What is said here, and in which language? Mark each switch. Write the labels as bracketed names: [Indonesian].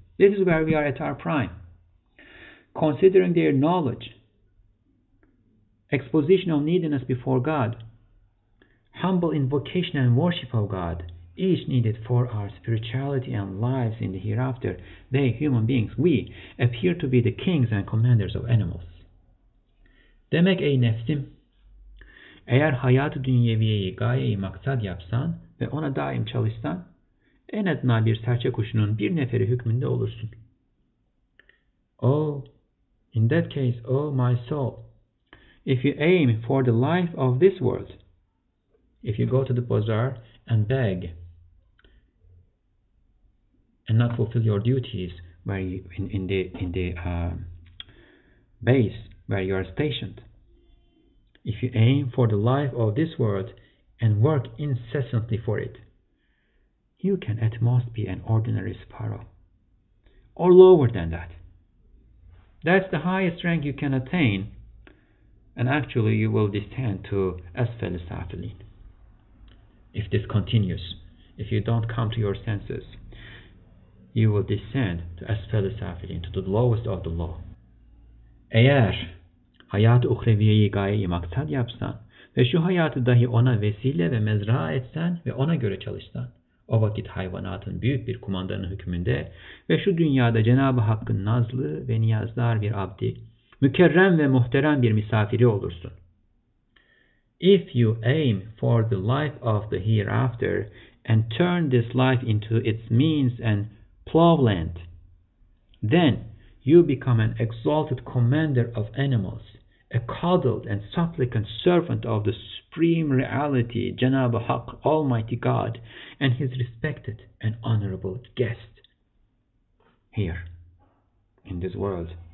[English] This is where we are at our prime. Considering their knowledge, exposition of neediness before God, humble invocation and worship of God, each needed for our spirituality and lives in the hereafter, they, human beings, we, appear to be the kings and commanders of animals. [Turkish] Demek ey nefsim, eğer hayat-ı dünyeviyeyi gayeyi maksad yapsan ve ona daim çalışsan, en adına bir serçe kuşunun bir neferi hükmünde olursun. [English] Oh, in that case, oh my soul, if you aim for the life of this world, if you go to the bazaar and beg and not fulfill your duties where you, in the base where you are stationed, if you aim for the life of this world and work incessantly for it, you can at most be an ordinary sparrow or lower than that. That's the highest rank you can attain, and actually you will descend to asfal safilin. If this continues, if you don't come to your senses, you will descend to asfal safilin, to the lowest of the low. [Turkish] Eğer hayat-ı uhreviyeyi gayeyi maksad yapsan ve şu hayatı dahi ona vesile ve mezra etsen ve ona göre çalışsan, o vakit hayvanatın büyük bir kumandanın hükmünde ve şu dünyada Cenab-ı Hakk'ın nazlı ve niyazdar bir abdi, mükerrem ve muhterem bir misafiri olursun. [English] If you aim for the life of the hereafter and turn this life into its means and plowland, then you become an exalted commander of animals, a coddled and supplicant servant of the supreme reality, Cenab-ı Hak, Almighty God, and His respected and honorable guest here in this world.